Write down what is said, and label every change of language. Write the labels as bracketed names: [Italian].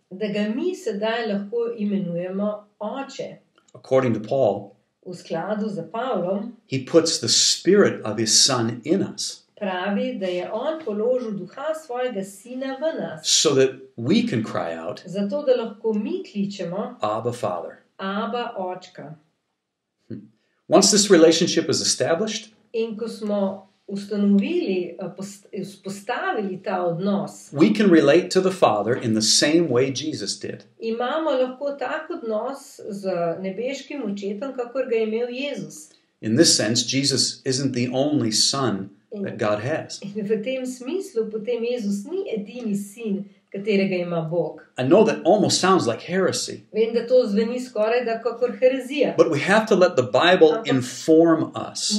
[Slovenian] Da ga mi sedaj lahko imenujemo oče. [English] According to Paul, [Slovenian] v skladu za Pavlom, [English] he puts the spirit of his son in us. [Slovenian] Pravi, da je on položil duha svojega sina v nas. [English] So that we can cry out, [Slovenian] zato da lahko mi kličemo [English] Abba Father. [Slovenian] Abba Očka. [English] Once this relationship is established, [Slovenian] in ko smo ustanovili, postavili ta odnos, [English] we can relate to the Father in the same way Jesus did. [Slovenian] Imamo lahko tak odnos z nebeškim očetom, kakor ga je imel Jezus. [English] In this sense, Jesus isn't the only son that God has. [Slovenian] In v tem smislu, potem Jezus ni edini sin, katerega ima Bog. [English] I know that almost sounds like heresy. [Slovenian] Vem, da to zveni skoraj da kakor herezija. [English] But we have to let the Bible inform us.